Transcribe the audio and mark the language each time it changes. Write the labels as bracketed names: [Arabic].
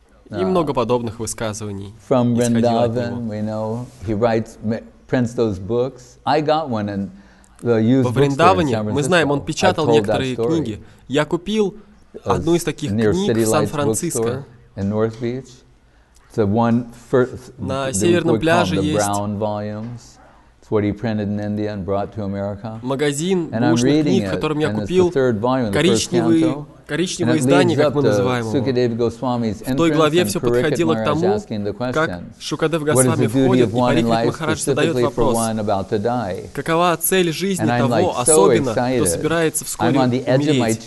[Russian] И много подобных высказываний. [English] From Vrindavan, we know, he writes, prints those books. I got one in the used bookstore. [Russian] Во Вриндаване, мы знаем, он печатал некоторые книги. Я купил одну из таких книг в Сан-Франциско. На северном пляже есть [English] what he printed in India and brought to America. [Russian] Магазин бушных книг, которым я купил коричневое издание, как мы называем его. В той главе все подходило к тому, как Шукадев Госвами входит, и Парикхит Махарадж задает вопрос, какова цель жизни того, особенно, кто собирается вскоре умереть.